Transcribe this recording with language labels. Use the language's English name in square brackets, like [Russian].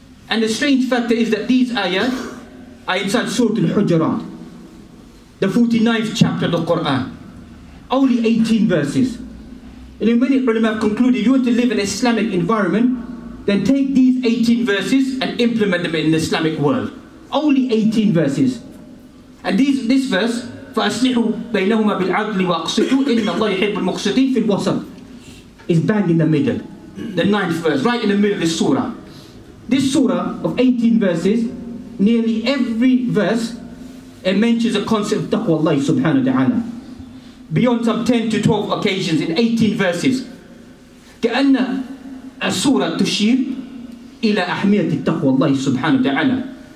[English] And the strange factor is that these ayat are inside Surah Al-Hujurat, the 49th chapter of the Quran. Only 18 verses. And in many ulama have concluded, if you want to live in an Islamic environment, then take these 18 verses and implement them in the Islamic world. Only 18 verses. And this verse, [Arabic] فَأَصْلِحُوا بَيْنَهُمَا بِالْعَدْلِ وَأَقْسِطُوا إِنَّ اللَّهَ يُحِبُّ الْمُقْسِطِينَ فِي الْوَسَطِ, [English] is bang in the middle. The 9th verse, right in the middle of this surah. This surah of 18 verses, nearly every verse, it mentions a concept of taqwa Allah subhanahu wa ta'ala. Beyond some 10 to 12 occasions in 18 verses. [Arabic] كَأَنَّ السُّورَةَ تُشِيرُ إِلَى أَحْمِيَةِ التَّقْوَى اللَّهِ سُبْحَانَهُ وَتَعَالَى.